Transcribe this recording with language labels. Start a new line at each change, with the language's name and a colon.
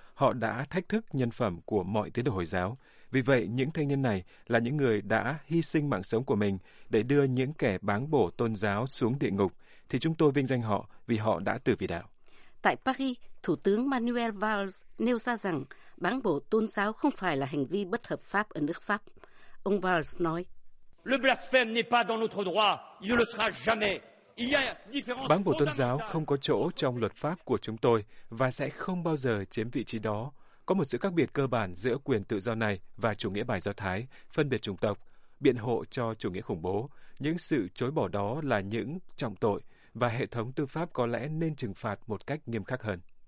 Vietnamese: Họ đã thách thức nhân phẩm của mọi tín đồ Hồi giáo. Vì vậy, những thanh niên này là những người đã hy sinh mạng sống của mình để đưa những kẻ bán bổ tôn giáo xuống địa ngục, thì chúng tôi vinh danh họ vì họ đã tử vì đạo." Tại Paris, Thủ tướng Manuel Valls nêu ra rằng bán bổ tôn giáo không phải là hành vi bất hợp pháp ở nước Pháp. Ông Valls nói:
French: Le blasphème n'est pas dans notre droit, il le sera jamais.
Vietnamese: Bán bộ tôn giáo không có chỗ trong luật pháp của chúng tôi và sẽ không bao giờ chiếm vị trí đó. Có một sự khác biệt cơ bản giữa quyền tự do này và chủ nghĩa bài Do Thái, phân biệt chủng tộc, biện hộ cho chủ nghĩa khủng bố. Những sự chối bỏ đó là những trọng tội và hệ thống tư pháp có lẽ nên trừng phạt một cách nghiêm khắc hơn.